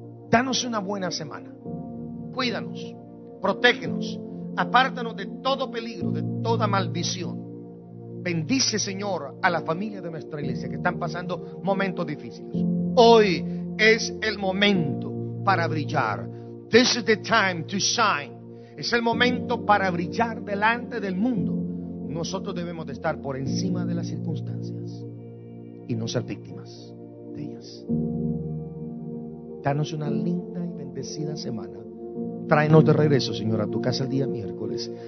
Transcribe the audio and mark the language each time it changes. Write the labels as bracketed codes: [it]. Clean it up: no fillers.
[es] Danos una buena semana. Cuídanos, protégenos, apártanos de todo peligro, de toda maldición. Bendice, Señor, a la familia de nuestra iglesia que están pasando momentos difíciles. Hoy es el momento para brillar. [en] This is the time to shine. [es] Es el momento para brillar delante del mundo. Nosotros debemos de estar por encima de las circunstancias y no ser víctimas de ellas. Danos una linda y bendecida semana. Tráenos de regreso, Señor, a tu casa el día miércoles.